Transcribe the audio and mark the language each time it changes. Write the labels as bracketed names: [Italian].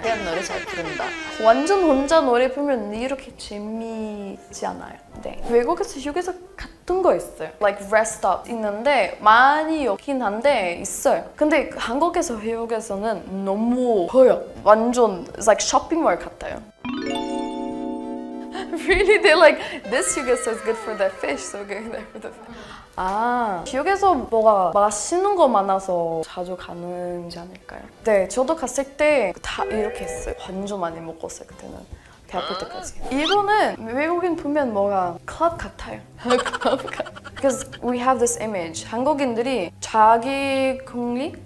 [Korean] 그냥 노래 잘 부른다. 완전 혼자 노래 부르면 이렇게 재미있지 않아요. 네. 외국에서 휴게소 갔던 거 있어요. [English] Like rest stop [Korean] 있는데 많이 없긴 한데 있어요. 근데 한국에서 휴게소는 너무 커요. 완전 [English] it's like [Korean] 쇼핑몰 같아요. [English] Really, they're like, this hyugeso is good for the fish, so we're going there for the fish. [Korean] 아, 기억에서 뭐가 맛있는 거 많아서 자주 가는지 아닐까요? 네, 저도 갔을 때 다 이렇게 했어요. 완전 많이 먹었어요, 그때는. 대학교 때까지. 이거는 외국인 보면 뭐가 클럽 같아요. 클럽 같아요. [English] Because we have this image. [Korean] 한국인들이 자기 국리?